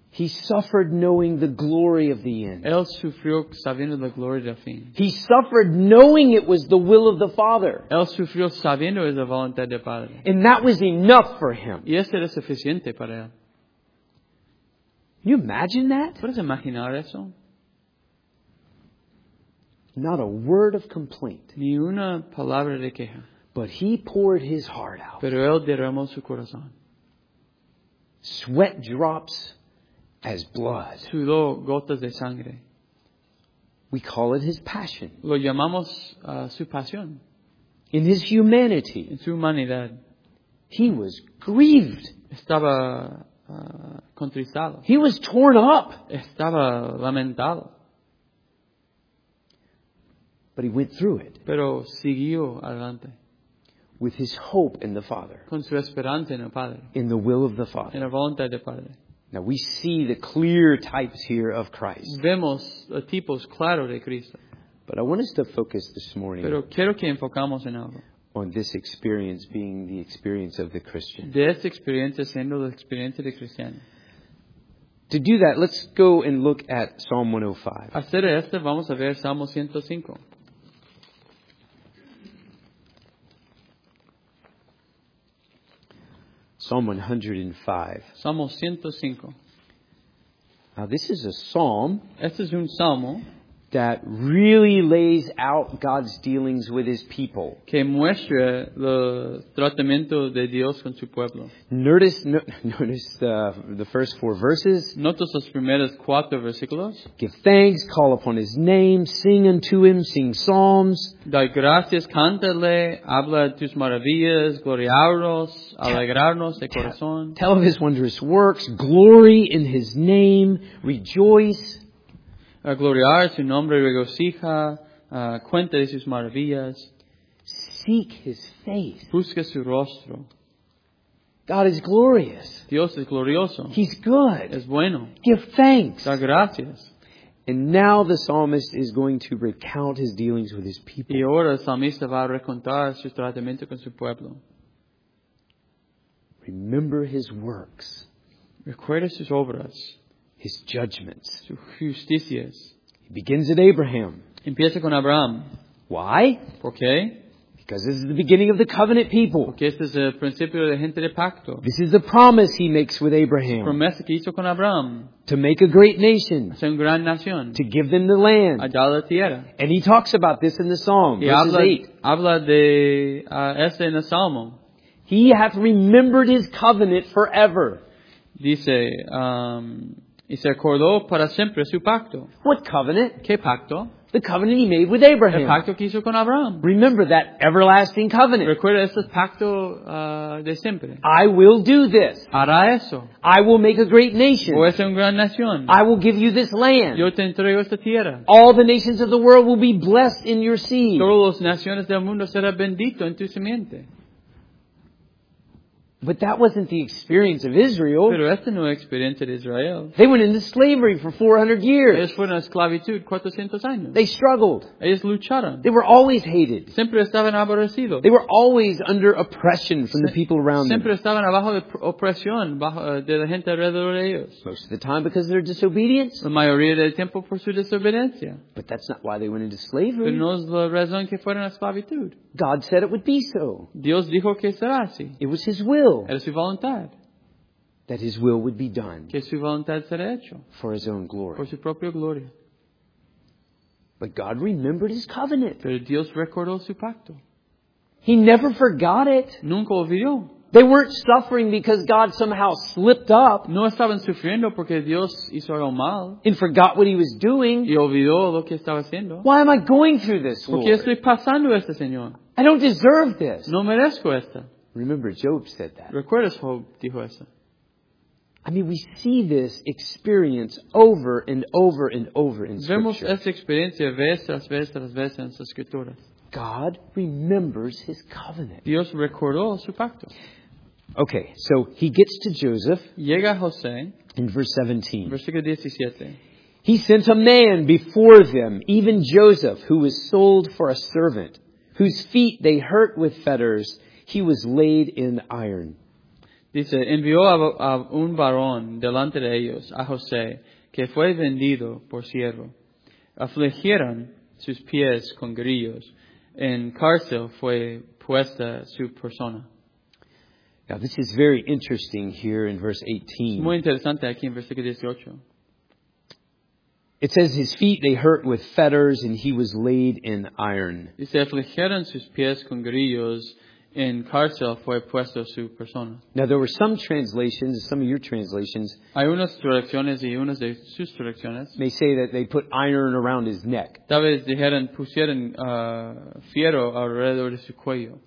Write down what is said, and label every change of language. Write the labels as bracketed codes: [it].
[en] He suffered knowing the glory of the end. [es] Él sufrió sabiendo la gloria del fin. [en] He suffered knowing it was the will of the Father. [es] Él sufrió sabiendo es la voluntad del Padre. [en] And that was enough for him. [es] Y eso era suficiente para él. [en] Can you imagine that? [es] ¿Puedes imaginar eso? [en] Not a word of complaint. [es] Ni una palabra de queja. [en] But he poured his heart out. [es] Pero él derramó su corazón. [en] Sweat drops as blood. [es] Sudó gotas de sangre. [en] We call it his passion. [es] Lo llamamos su pasión. [en] In his humanity. [es] En su humanidad. [en] He was grieved. [es] Estaba contristado. [en] He was torn up. [es] Estaba lamentado. [en] But he went through it. [es] Pero siguió adelante. [en] With his hope in the Father. [es] Con su esperanza en el Padre. [en] In the will of the Father. [es] En la voluntad del Padre. [en] Now we see the clear types here of Christ. [es] Vemos los tipos claros de Cristo. [en] But I want us to focus this morning. [es] Pero quiero que enfocamos en algo. [en] On this experience being the experience of the Christian. [es] De esta experiencia siendo la experiencia de cristiano. [en] To do that, let's go and look at Psalm 105. [es] Hacer esto, vamos a ver Salmo 105. [en] Psalm 105. [es] Salmo 105. [en] Now this is a psalm. [es] Este es un salmo. [en] that really lays out God's dealings with his people. [es] Que muestra los tratamientos de Dios con su pueblo. [en] Notice the first four verses. [es] Notas los primeros cuatro versículos. [en] Give thanks, call upon his name, sing unto him, sing psalms. [es] Dar gracias, cántale, habla de tus maravillas, gloriaros, alegrarnos de corazón. [en] Tell of his wondrous works, glory in his name, rejoice. [es] A gloriar su nombre, regocija, cuenta de sus maravillas. [en] Seek his face. [es] Busca su rostro. [en] God is glorious. [es] Dios es glorioso. [en] He's good. [es] Es bueno. [en] Give thanks. [es] Dar gracias. [en] And now the psalmist is going to recount his dealings with his people. [es] Y ahora el salmista va a recontar su tratamiento con su pueblo. [en] Remember his works. [es] Recuerda sus obras. [en] His judgments. [es] Justicias. [en] He begins at Abraham. [es] Empieza con Abraham. [en] Why? [es] ¿Por qué? [en] Because this is the beginning of the covenant people. [es] Porque este es el principio de gente de pacto. [en] This is the promise he makes with Abraham. [es] Promesa que hizo con Abraham. [en] To make a great nation. [es] Hacer una gran nación. [en] To give them the land. [es] A dar la tierra. [en] And he talks about this in the Psalm. [es] Y [en] verses 8. [es] Habla de este en el Salmo. [en] He hath remembered his covenant forever. [es] Dice, y se acordó para siempre su pacto. [en] What covenant? [es] ¿Qué pacto? [en] The covenant he made with Abraham. [es] El pacto que hizo con Abraham. [en] Remember that everlasting covenant. [es] Recuerda ese pacto de siempre. [en] I will do this. [es] Hará eso. [en] I will make a great nation. [es] Voy a ser una gran nación. [en] I will give you this land. [es] Yo te entrego esta tierra. [en] All the nations of the world will be blessed in your seed. [es] Todas las naciones del mundo serán benditos en tu simiente. [en] But that wasn't the experience of Israel. [es] Pero esta no es la experiencia de Israel. [en] They went into slavery for 400 years. [es] Ellos fueron a esclavitud 400 años. [en] They struggled. [es] Ellos lucharon. [en] They were always hated. [es] Siempre estaban aborrecidos. [en] They were always under oppression from the people around [es] siempre [en] them. [es] Siempre estaban bajo de opresión bajo de la gente alrededor de ellos. [en] Most of the time because of their disobedience. [es] La mayoría del tiempo por su desobediencia. [en] But that's not why they went into slavery. [es] Pero no es la razón que fueron a esclavitud. [en] God said it would be so. [es] Dios dijo que será así. [en] It was his will. [es] Era su voluntad. [en] That his will would be done. [es] Que su voluntad será hecho. [en] For his own glory. [es] Por su propia gloria. [en] But God remembered his covenant. [es] Pero Dios recordó su pacto. [en] He never forgot it. [es] Nunca olvidó. [en] They weren't suffering because God somehow slipped up. [es] No estaban sufriendo porque Dios hizo algo mal. [en] And forgot what he was doing. [es] Y olvidó lo que estaba haciendo. [en] Why am I going through this, Lord? [es] Porque estoy pasando esto, Señor. [en] I don't deserve this. [es] No merezco esto. [en] Remember, Job said that. [es] ¿Recuerdas Job dijo eso? [en] I mean, we see this experience over and over and over in Scripture. [es] Vemos esta experiencia vez tras vez tras vez en las Escrituras. [en] God remembers his covenant. [es] Dios recordó su pacto. [en] Okay, so he gets to Joseph. [es] Llega José. [en] In verse 17. [es] Versículo 17. [en] He sent a man before them, even Joseph, who was sold for a servant, whose feet they hurt with fetters. He was laid in iron. [es] Dice, envió a un varón delante de ellos, a José, que fue vendido por siervo. Afligieron sus pies con grillos. En cárcel fue puesta su persona. [en] Now, this is very interesting here in verse 18. [es] Es muy interesante aquí en versículo 18. [en] It says his feet they hurt with fetters and he was laid in iron. [es] Dice, afligieron sus pies con grillos. En cárcel fue puesto su persona. [en] Now there were some translations, some of your translations. [es] Hay unas traducciones y unas de sus traducciones. [en] May say that they put iron around his neck. [es] Tal vez dijeron pusieron fierro alrededor de su cuello.